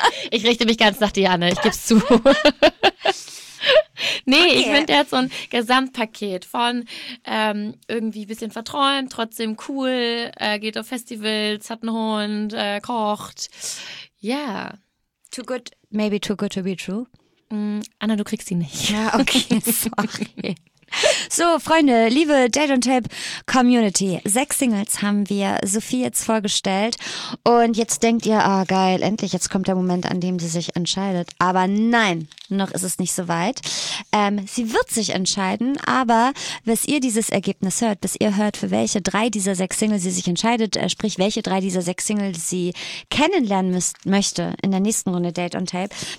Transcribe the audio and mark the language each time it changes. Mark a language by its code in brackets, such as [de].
[de] Ich richte mich ganz nach Diane, ich gebe es zu. Nee, okay. Ich finde, der hat so ein Gesamtpaket von irgendwie ein bisschen verträumt, trotzdem cool, geht auf Festivals, hat einen Hund, kocht. Ja. Yeah. [en] Too good, maybe too good to be true. [de] Anna, du kriegst ihn nicht. Ja, okay, sorry. So, Freunde, liebe Date on Tape Community, 6 Singles haben wir Sophie jetzt vorgestellt und jetzt denkt ihr, ah oh geil, endlich, jetzt kommt der Moment, an dem sie sich entscheidet. Aber nein, Noch ist es nicht so weit. Sie wird sich entscheiden, aber bis ihr dieses Ergebnis hört, bis ihr hört, für welche drei dieser sechs Singles sie sich entscheidet, sprich welche drei dieser sechs Singles sie kennenlernen möchte in der nächsten Runde Date on Tape,